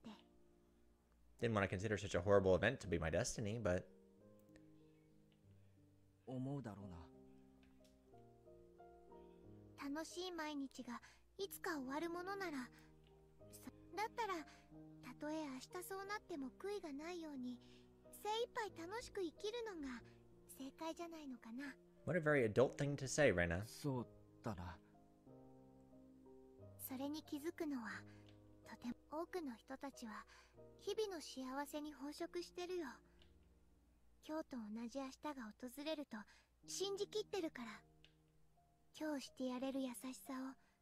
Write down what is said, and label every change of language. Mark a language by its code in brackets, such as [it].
[ja] まず泣くと思う。そしてこう思うんじゃないかな。こうなることが運命だったなら、昨日までの日をもっともっと楽しく悔いなく過ごせばよかったって。 [en] Didn't want to consider such a horrible event to be my destiny, but [ja] 思うだろうな。楽しい毎日がいつか終わるものなら [en] What a very adult thing to say, Rena. [ja] そうだな。それに気づくのはとても多くの人たちは日々の幸せに飽食してるよ。今日と同じ明日が訪れると信じきってるから、今日してやれる優しさを